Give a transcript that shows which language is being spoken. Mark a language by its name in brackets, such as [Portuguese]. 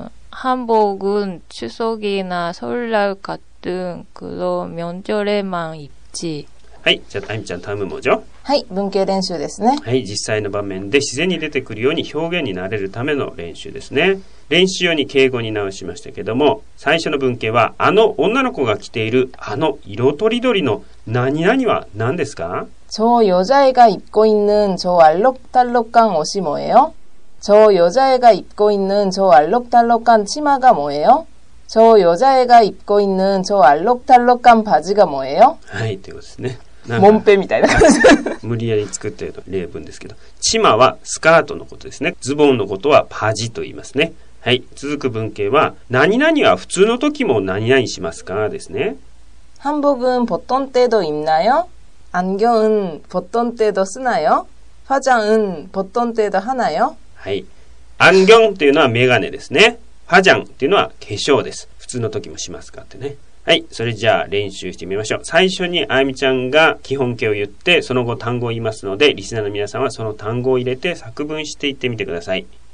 [Korean] 한복은추석이나설날같은그런명절에만입지 [Japanese] はい、じゃあタイムちゃん、タイムもじゃ。はい、文型練習ですね。はい、実際の場面で自然に出てくるように表現になれるための練習ですね。練習用に敬語に直しましたけども、最初の文型は、あの女の子が着ているあの色とりどりの何々は何ですか? [Korean] 저여자애가입고있는저알록달록한옷이뭐예요? 저여자애가입고있는저알록달록한치마가뭐예요? 저여자애가입고있는저알록달록한바지가뭐예요? [Japanese] はい、ということですね。モンペみたいな感じ。無理やり作ってる例文ですけど、チマはスカートのことですね。ズボンのことはパジと言いますね。はい、続く文型は、何々は普通の時も何々しますかですね。 [Korean] 한복은보통때도입나요? 안경은보통때도쓰나요? 화장은보통때도하나요? [Japanese] はい、안경っていうのはメガネですね。화장っていうのは化粧です。普通の時もしますかってね。はい、それじゃあ練習してみましょう。最初にあゆみちゃんが基本形を言って、その後単語を言いますので、リスナーの皆さんはその単語を入れて作文していってみてください。